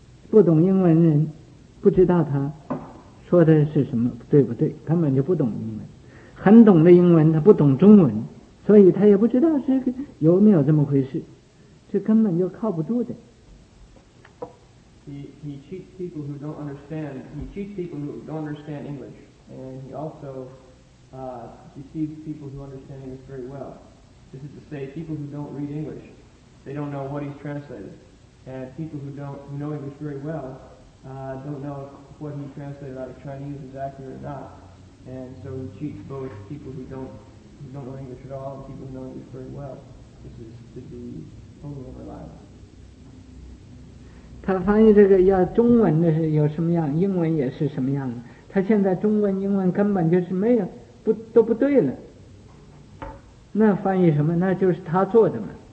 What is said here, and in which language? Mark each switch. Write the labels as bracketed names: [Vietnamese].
[Chinese] 不懂英文人不知道他说的是什么对不对，根本就不懂英文。很懂的英文他不懂中文，所以他也不知道是有没有这么回事，这根本就靠不住的。 [English] He cheats people who don't understand. He cheats people who don't understand English, and he also deceives people who understand English very well. This is to say, people who don't read English, they don't know what he's translated, and people who know English very well don't know if what he translated out of Chinese is accurate or not. And so he cheats both people who don't know English at all and people who know English very well. This is to be totally unreliable. [Chinese] 他翻译这个要中文的是有什么样，英文也是什么样的，他现在中文英文根本就是没有不都不对了，那翻译什么，那就是他做的嘛。